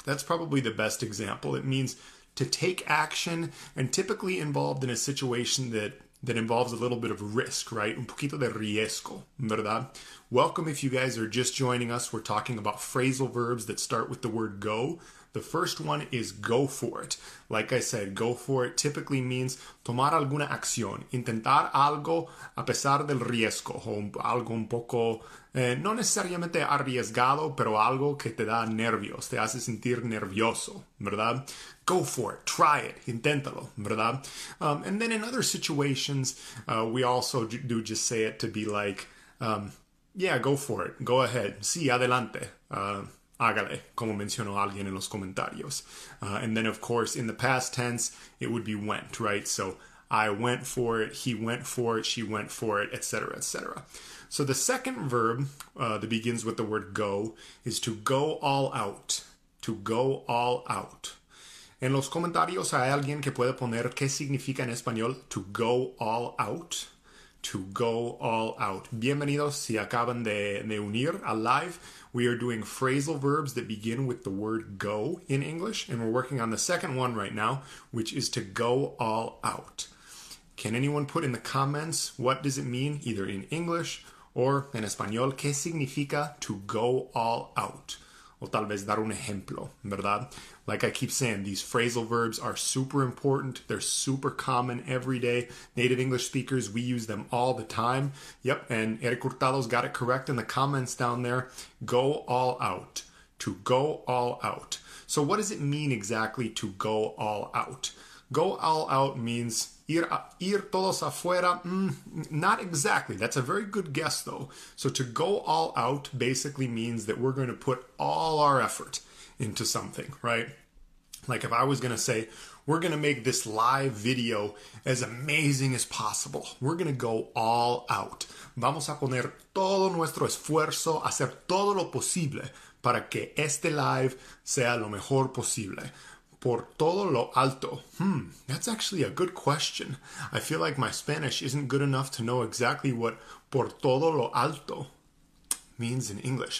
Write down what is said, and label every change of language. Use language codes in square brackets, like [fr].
[en] That's probably the best example. It means to take action and typically involved in a situation that involves a little bit of risk, right? [es] Un poquito de riesgo, ¿verdad? [en] Welcome if you guys are just joining us. We're talking about phrasal verbs that start with the word go. The first one is go for it. Like I said, go for it typically means [es] tomar alguna acción, intentar algo a pesar del riesgo, o algo un poco, no necesariamente arriesgado, pero algo que te da nervios, te hace sentir nervioso, ¿verdad? [en] Go for it, try it, [es] inténtalo, ¿verdad? [en] And then in other situations, we also do just say it to be like, go for it, go ahead, [es] sí, adelante, hágale, como mencionó alguien en los comentarios. [en] And then, of course, in the past tense, it would be went, right? So, I went for it, he went for it, she went for it, etc., etc. So, the second verb that begins with the word go is to go all out. To go all out. [es] En los comentarios, ¿hay alguien que puede poner qué significa en español [en] to go all out? To go all out. [es] Bienvenidos si acaban de unir al live. [en] We are doing phrasal verbs that begin with the word go in English. And we're working on the second one right now, which is to go all out. Can anyone put in the comments what does it mean either in English or [es] en español? ¿Qué significa [en] to go all out? [es] O tal vez dar un ejemplo, ¿verdad? [en] Like I keep saying, these phrasal verbs are super important. They're super common every day. Native English speakers, we use them all the time. Yep, and Eric Hurtado's got it correct in the comments down there. Go all out. To go all out. So what does it mean exactly to go all out? Go all out means [es] ir todos afuera. [en] Not exactly. That's a very good guess, though. So to go all out basically means that we're going to put all our effort into something, right? Like if I was going to say, we're going to make this live video as amazing as possible. We're going to go all out. [es] Vamos a poner todo nuestro esfuerzo, hacer todo lo posible para que este live sea lo mejor posible. Por todo lo alto. [en] That's actually a good question. I feel like my Spanish isn't good enough to know exactly what [es] por todo lo alto [en] means in English.